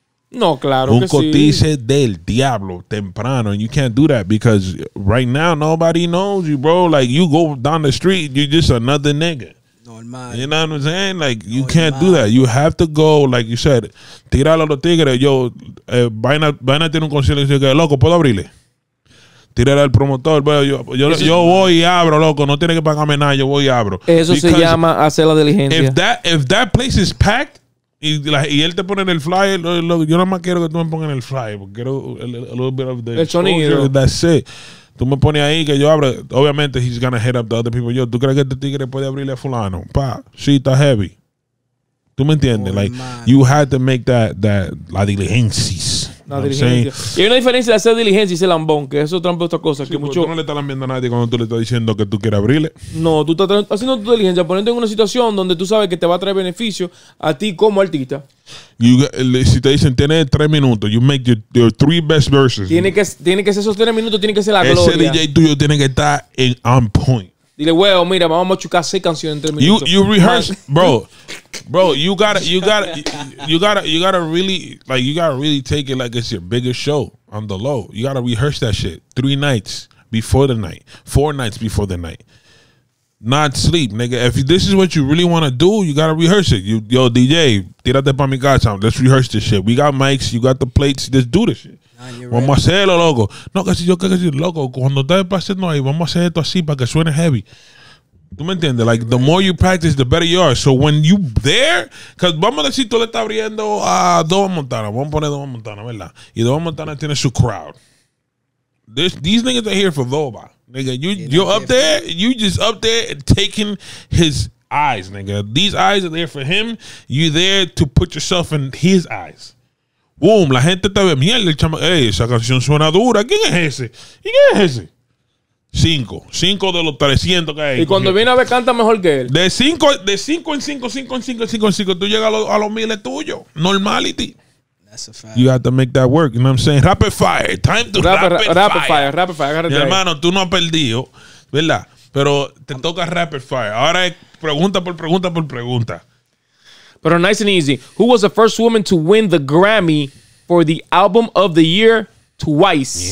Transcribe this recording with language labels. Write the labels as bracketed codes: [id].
[es] No, claro un que cotice sí. Del diablo temprano. [en] And you can't do that because right now nobody knows you, bro. Like, you go down the street, you're just another nigga. Normal. You know what I'm saying? Like, you normal. Can't do that. You have to go, like you said, [es] tirarle a los tigres. Yo, vayan a tener un concierto y dice que, loco, ¿puedo abrirle? Tirarle al promotor. Bro, yo voy y abro, loco. No tiene que pagarme nada. Yo voy y abro. Eso because se llama hacer la diligencia. [en] If that place is packed, [es] y él te pone en el flyer, yo nada más quiero que tú me pongas en el flyer. Quiero [en] a little bit of the exposure. That's it. [es] Tú me pones ahí que yo abro. [en] Obviamente, he's going to hit up the other people. [es] Yo, ¿tú crees que este tigre puede abrirle a fulano? Pa, sí, está heavy. ¿Tú me entiendes? [en] Oh, like, man. You had to make that [es] la diligencias. Y hay una diferencia de hacer diligencia y ser lambón, que eso trampa otra cosa. Sí, que mucho... Tú no le estás lambiendo a nadie cuando tú le estás diciendo que tú quieres abrirle. No, tú estás haciendo tu diligencia, poniendo en una situación donde tú sabes que te va a traer beneficio a ti como artista. Si te dicen, tienes 3 minutos, [en] you make your 3 best verses. [es] Tiene que ser esos 3 minutos, tiene que ser la gloria. Ese DJ tuyo tiene que estar en on point. Dile, weón, mira, vamos a chocar 6 canciones en 3 minutos. [en] You rehearse, man. Bro, you gotta really, like, you gotta really take it like it's your biggest show on the low. You gotta rehearse that shit 3 nights before the night, 4 nights before the night. Not sleep, nigga. If this is what you really wanna do, you gotta rehearse it. Yo, DJ, [es] tírate pa' mi casa. [en] Let's rehearse this shit. We got mics, you got the plates, let's do this shit. [es] Vamos a hacerlo, loco. No, que si yo que si loco, cuando estás pasando ahí, vamos a hacer esto así para que suene heavy. ¿Tú me entiendes? [en] Like, the more you practice, the better you are. So when you there, because [es] vamos a decir, tú le estás abriendo a Dova Montana. Vamos a poner Dova Montana, ¿verdad? Y Dova Montana tiene su crowd. [en] These niggas are here for Dova. Nigga, you're up there, you just up there and taking his eyes, nigga. These eyes are there for him. You there to put yourself in his eyes. [es] Boom, la gente está bien. Mierda, el chama. Ey, esa canción suena dura. ¿Quién es ese? ¿Y quién es ese? 5 de los 300 que hay. Y cuando viene a ver, canta mejor que él. De cinco en cinco, tú llegas a los miles tuyos. [en] Normality. That's a fact. You have to make that work. You know what I'm saying? Rapid fire. Time to rapid fire. [es] Mi hermano, tú no has perdido, ¿verdad? Pero te toca rapid fire. Ahora es pregunta por pregunta. Pero [en] nice and easy. Who was the first woman to win the Grammy for the album of the year twice?